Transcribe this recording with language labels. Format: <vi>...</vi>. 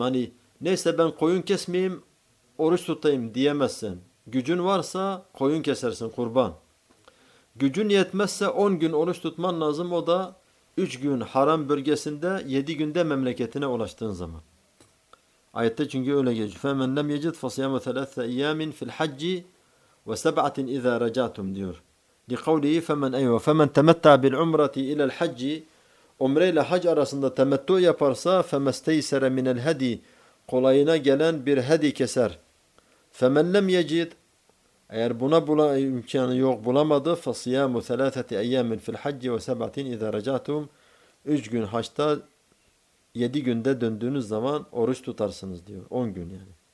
<tr>Hani neyse ben koyun kesmeyeyim, oruç tutayım diyemezsin. Gücün varsa koyun kesersin, kurban. Gücün yetmezse 10 gün oruç tutman lazım. O da 3 gün haram bölgesinde, 7 günde memleketine ulaştığın zaman. Ayette çünkü öyle geçiyor.</tr> <ar>فَمَنْ لَمْ يَجِدْ فَصِيَامُ ثَلَاثَ اَيَّامٍ فِي الْحَجِّ وَسَبْعَةٍ اِذَا رَجَعْتُمْ diyor. لِقَوْلِهِ فَمَنْ اَيْوَ فَمَنْ تَمَتَّعَ بِالْعُمْرَةِ اِلَى الْحَجِّ</ar> <tr>Umre ile hac arasında temettu yaparsa</tr> <ar>فَمَسْتَيْسَرَ مِنَ الْهَدِي</ar> <tr>kolayına gelen bir hedi keser.</tr> <ar>فَمَنْ لَمْ يَجِدْ</ar> <tr>eğer buna imkanı yok bulamadı</tr> <ar>فَصِيَامُ ثَلَاثَةِ اَيَّامٍ فِي الْحَجِّ وَسَبْعَةٍ اِذَا رَجَعْتُمْ</ar> <tr>3 gün haçta 7 günde döndüğünüz zaman oruç tutarsınız diyor. 10 gün yani.</tr>